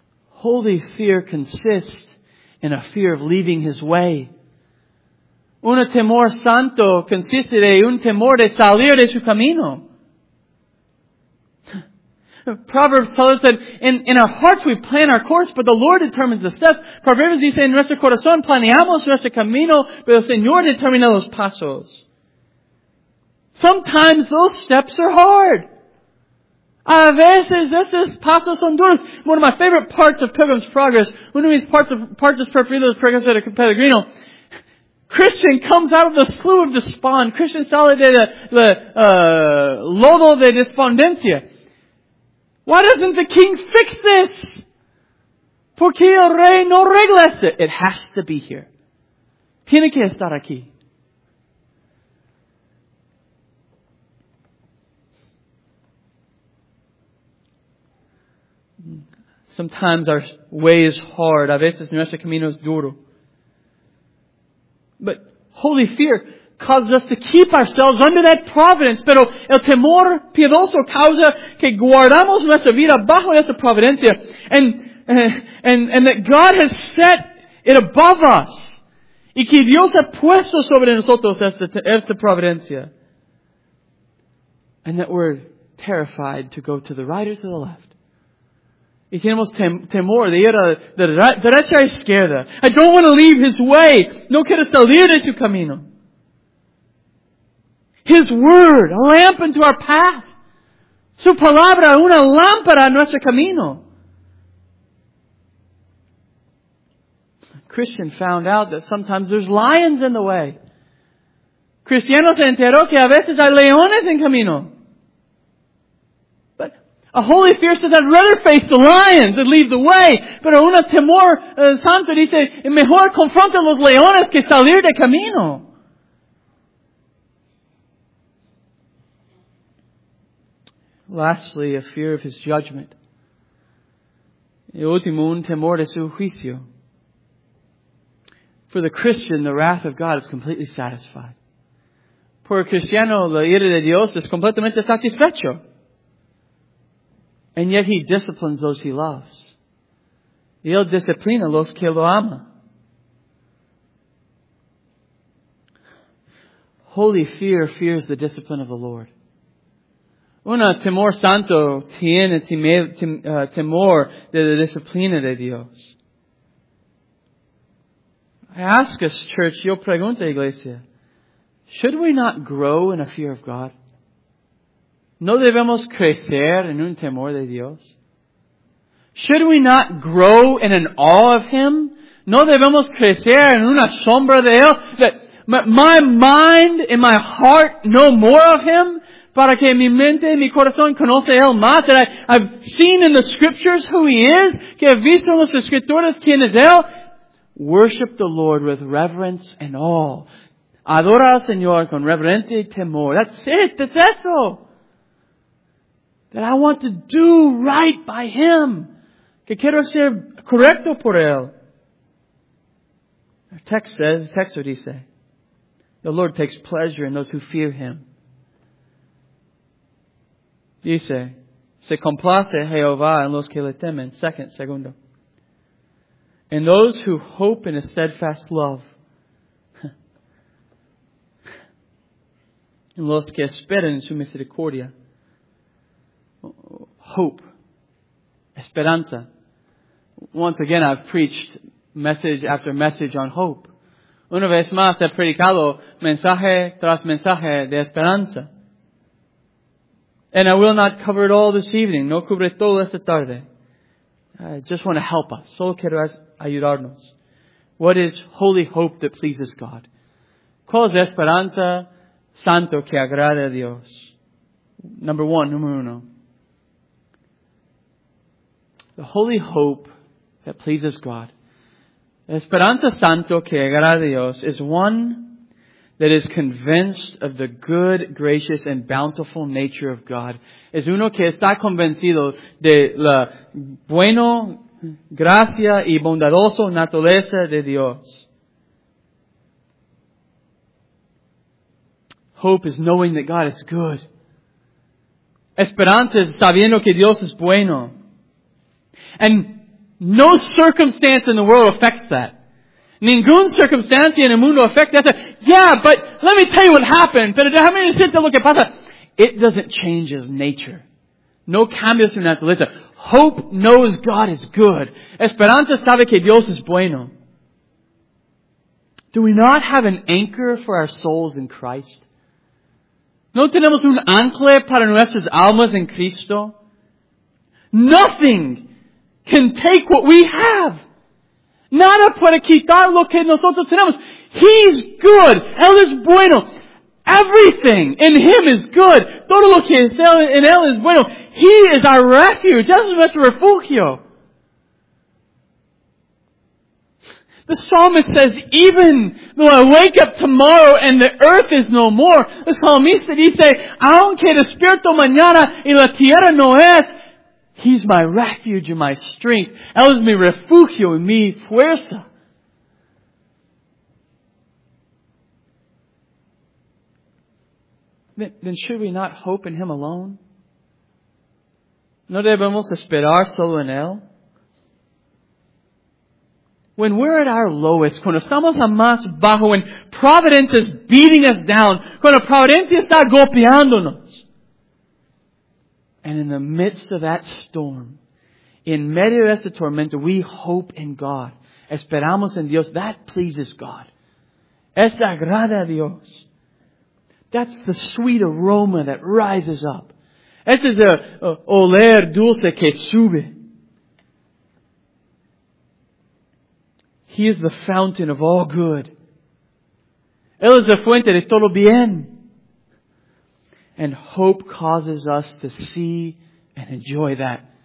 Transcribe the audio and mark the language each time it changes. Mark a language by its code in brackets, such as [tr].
[en] Holy fear consists in a fear of leaving his way. [es] Un temor santo consiste de un temor de salir de su camino. [en] Proverbs tell us that in our hearts we plan our course, but the Lord determines the steps. [es] Proverbs dice, en nuestro corazón planeamos nuestro camino, pero el Señor determina los pasos. [en] Sometimes those steps are hard. [es] A veces, esos pasos son duros. [en] One of my favorite parts of Pilgrim's Progress, one of [es] mis partes preferidas, Progreso de Peregrino, [en] Christian comes out of the slough of despond. [es] Christian sale de la lodo de despondencia. [en] Why doesn't the king fix this? [es] ¿Por qué el rey no regla esto? [en] It has to be here. [es] Tiene que estar aquí. [en] Sometimes our way is hard. [es] A veces nuestro camino es duro. [en] But holy fear causes us to keep ourselves under that providence. [es] Pero el temor piadoso causa que guardamos nuestra vida bajo esa providencia. [en] And that God has set it above us. [es] Y que Dios ha puesto sobre nosotros esta providencia. [en] And that we're terrified to go to the right or to the left. [es] Y tenemos temor de ir a la derecha o izquierda. [en] I don't want to leave His way. [es] No quiero salir de su camino. [en] His Word, a lamp into our path. [es] Su palabra, una lámpara a nuestro camino. [en] Christian found out that sometimes there's lions in the way. [es] Cristiano se enteró que a veces hay leones en camino. [en] A holy fear says, I'd rather face the lions than leave the way. [es] Pero una temor santo dice, mejor confronta los leones que salir de camino. [en] Lastly, a fear of His judgment. [es] Y último, un temor de su juicio. [en] For the Christian, the wrath of God is completely satisfied. [es] Por el cristiano, la ira de Dios es completamente satisfecho. [en] And yet He disciplines those He loves. [es] Y Él disciplina los que lo ama. [en] holy fear fears the discipline of the Lord. [es] Una, temor santo tiene temor de la disciplina de Dios. [en] I ask us, church, [es] yo pregunto, iglesia, [en] should we not grow in a fear of God? [es] ¿No debemos crecer en un temor de Dios? [en] Should we not grow in an awe of Him? [es] ¿No debemos crecer en una sombra de Él? [en] That my mind and my heart know more of Him? [es] Para que mi mente y mi corazón conoce Él más. [en] That I've seen in the Scriptures who He is. [es] Que he visto en las Escrituras quién es Él. [en] Worship the Lord with reverence and awe. [es] Adora al Señor con reverencia y temor. [en] That's it. That's eso. That I want to do right by Him. [es] Que quiero ser correcto por Él. [en] Our text says, the text would say, the Lord takes pleasure in those who fear Him. [es] Dice, se complace Jehová en los que le temen. Segundo. [en] And those who hope in a steadfast love. [es] En los que esperan su misericordia. [en] Hope. Esperanza. Once again, I've preached message after message on hope. [es] Una vez más, he predicado mensaje tras mensaje de esperanza. [en] And I will not cover it all this evening. [es] No cubre todo esta tarde. [en] I just want to help us. [es] Solo quiero ayudarnos. [en] What is holy hope that pleases God? [es] ¿Cuál es esperanza santo que agrade a Dios? Número uno. [en] The holy hope that pleases God. [es] Esperanza santo que agrade a Dios [en] is one that is convinced of the good, gracious, and bountiful nature of God. [es] Es uno que está convencido de la bueno, gracia y bondadoso naturaleza de Dios. [en] Hope is knowing that God is good. [es] Esperanza es sabiendo que Dios es bueno. [en] And no circumstance in the world affects that. [es] Ningún circunstancia en el mundo afecta eso. [en] Yeah, but let me tell you what happened. [es] Pero déjame decirte lo que pasa. [en] It doesn't change his nature. [es] No cambia su naturaleza. [en] Hope knows God is good. [es] Esperanza sabe que Dios es bueno. [en] Do we not have an anchor for our souls in Christ? [es] ¿No tenemos un ancla para nuestras almas en Cristo? [en] Nothing can take what we have. [es] Nada puede quitar lo que nosotros tenemos. [en] He's good. [es] Él es bueno. [en] Everything in Him is good. [es] Todo lo que está en Él es bueno. [en] He is our refuge. [es] Él es nuestro refugio. [en] The psalmist says, even though I wake up tomorrow and the earth is no more, the psalmist [es] dice, aunque despierto mañana y la tierra no es, [en] He's my refuge and my strength. [es] Él es mi refugio y mi fuerza. [en] Then should we not hope in Him alone? [es] ¿No debemos esperar solo en Él? [en] When we're at our lowest, [es] cuando estamos a más bajo, [en] when providence is beating us down, [es] cuando providencia está golpeándonos, [en] and in the midst of that storm, [es] in medio de ese tormento, [en] we hope in God. [es] Esperamos en Dios. [en] That pleases God. [es] Es agrada a Dios. [en] That's the sweet aroma that rises up. [es] Ese es el oler dulce que sube. [en] He is the fountain of all good. [es] Él es la fuente de todo bien. [en] And hope causes us to see and enjoy that.